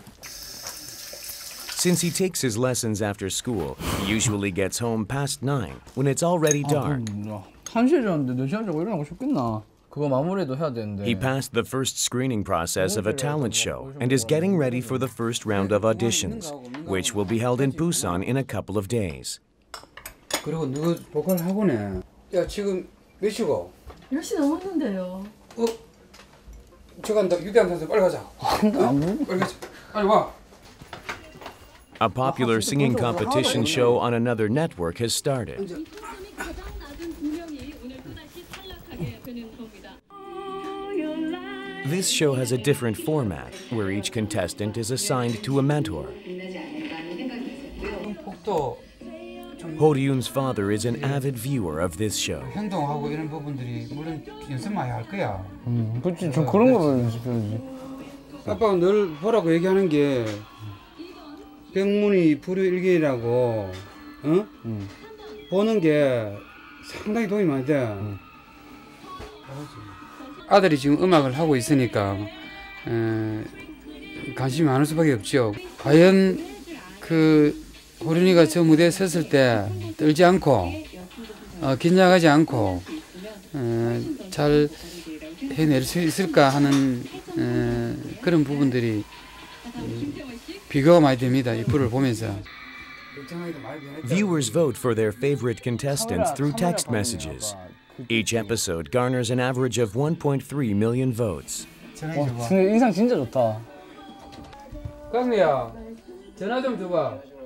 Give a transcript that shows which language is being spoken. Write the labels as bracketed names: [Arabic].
[English] Since he takes his lessons after school, he usually gets home past 9 when it's already dark. [Korean] 1시에 잤는데 4시 반 정도 일어나고 싶겠나? 그거 마무리도 해야 되는데. [English] He passed the first screening process of a talent show and is getting ready for the first round of auditions, which will be held in Busan in a couple of days. [Korean] 그리고 누구 보컬 학원에? 야, 지금 몇 시고? 10시 넘었는데요. 어? 제가 한다. 유대한 선생 빨리 가자. 빨리 가자. 빨리 와. [English] A popular singing competition show on another network has started. [Korean] 이제. [English] This show has a different format, where each contestant is assigned to a mentor. [Korean] 복도. [English] Ho-ryun's father is an avid viewer of this show. [Korean] 행동하고 이런 부분들이 물론 연습 많이 할 거야. 그렇지, 좀 그런 거 연습해야지. 아빠가 늘 보라고 얘기하는 게 백문이 불여일견이라고, 보는 게 상당히 도움이 많이 돼. 아들이 지금 음악을 하고 있으니까 관심이 많을 수밖에 없죠. 과연 그 호린이가 저 무대에 섰을 때 떨지 않고 긴장하지 않고 잘 해낼 수 있을까 하는 그런 부분들이 비교가 많이 됩니다. 이 프로를 보면서. [English] Viewers vote for their favorite contestants through text messages. Each episode garners an average of 1.3 million votes. [Korean] 와, 인상 진짜 좋다. 강미야, 전화 좀 줘봐.